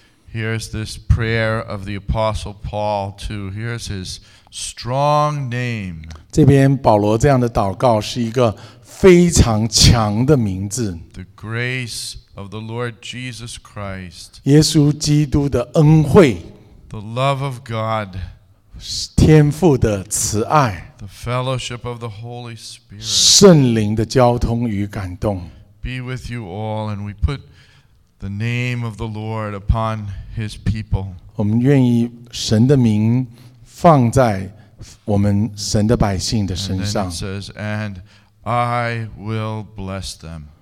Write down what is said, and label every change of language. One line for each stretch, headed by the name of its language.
English: Here's this prayer of the Apostle Paul too. Here's his strong name.
Chinese: 这边保罗这样的祷告是一个非常强的名字。
English: The grace of the Lord Jesus Christ.
Chinese: 耶稣基督的恩惠。
English: The love of God.
Chinese: 天父的慈爱。
English: The fellowship of the Holy Spirit.
Chinese: 圣灵的交通与感动。
English: Be with you all, and we put. The name of the Lord upon His people.
Chinese: 我们愿意神的名放在我们神的百姓的身上。
English: And then it says, "And I will bless them."